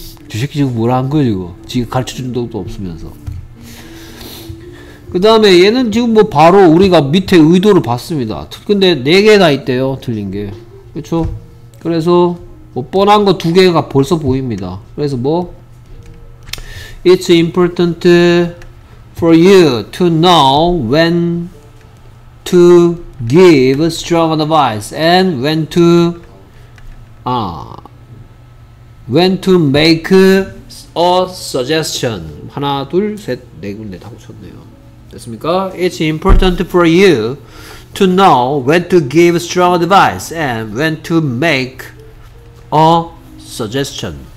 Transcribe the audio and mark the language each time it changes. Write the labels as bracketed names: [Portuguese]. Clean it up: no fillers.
[Korean] 저 새끼 지금 뭐라 한 거야 지금? 지금 가르쳐준 적도 없으면서. 그 다음에 얘는 지금 뭐 바로 우리가 밑에 의도를 봤습니다. 근데 네 개 다 있대요. 틀린 게. 그쵸? 그래서 뭐 뻔한 거 두 개가 벌써 보입니다. 그래서 뭐 [English] It's important for you to know when to give strong advice and when to when to make a suggestion. [Korean] 하나, 둘, 셋, 네 군데 다 고쳤네요. 됐습니까? [English] It's important for you to know when to give strong advice and when to make a suggestion.